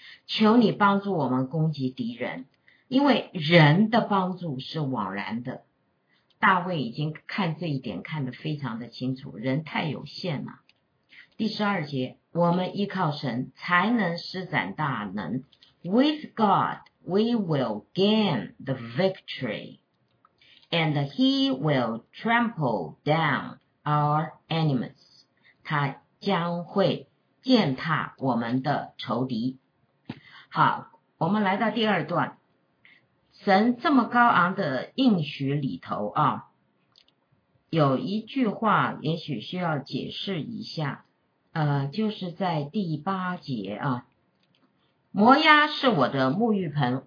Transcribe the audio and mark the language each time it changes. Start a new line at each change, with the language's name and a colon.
Chinese: 求你帮助我们攻击敌人，因为人的帮助是枉然的。大卫已经看这一点看得非常的清楚，人太有限了。第十二节，我们依靠神才能施展大能。
English: With God, we will gain the victory, and He will trample down our enemies.
Chinese: 他将会践踏我们的仇敌。好，我们来到第二段。神这么高昂的应许里头啊，有一句话也许需要解释一下，就是在第八节啊，摩押是我的沐浴盆。